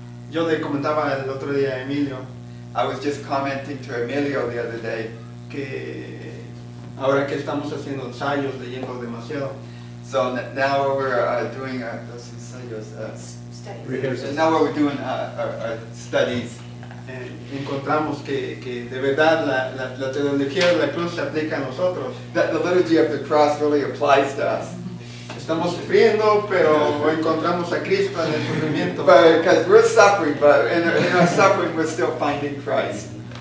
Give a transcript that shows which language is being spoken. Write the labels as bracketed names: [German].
[Spanish] Yo le comentaba el otro día a Emilio. [English] I was just commenting to Emilio the other day [Spanish] que ahora que estamos haciendo ensayos leyendo demasiado. [English] So now we're doing [Spanish] los ensayos, [English] rehearsals. Now we're doing studies. [Spanish] Encontramos que de verdad la teología de la cruz se aplica a nosotros. [English] That the liturgy of the cross really applies to us. [Spanish] Estamos sufriendo, pero encontramos a Cristo en el sufrimiento. [English] Because we're suffering, but in our suffering, we're still finding Christ.